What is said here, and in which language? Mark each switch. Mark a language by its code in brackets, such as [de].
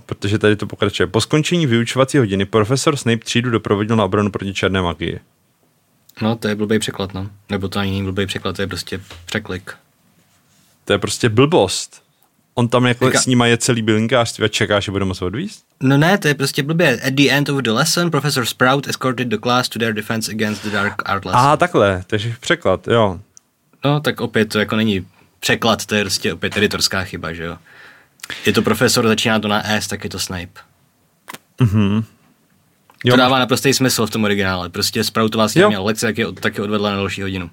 [cs] Protože tady to pokračuje. Po skončení vyučovací hodiny profesor Snape třídu doprovodil na obranu proti černé magii. No, to je blbej překlad, no. Nebo to ani není blbej překlad, to je prostě překlik. To je prostě blbost. On tam jako s ním je celý bylinkářství a čeká, že bude moct odvíst? No ne, to je prostě blbě. [en] At the end of the lesson, Professor Sprout escorted the class to their defense against the dark art lesson. [cs] Aha, takhle, takže překlad, jo. No, tak opět to jako není překlad, to je prostě opět editorská chyba, že jo. Je to profesor, začíná to na S, tak je to Snape. Mhm. To dává naprostý smysl v tom originále. Prostě Sprout to vlastně měl lekce, tak je odvedla na další hodinu.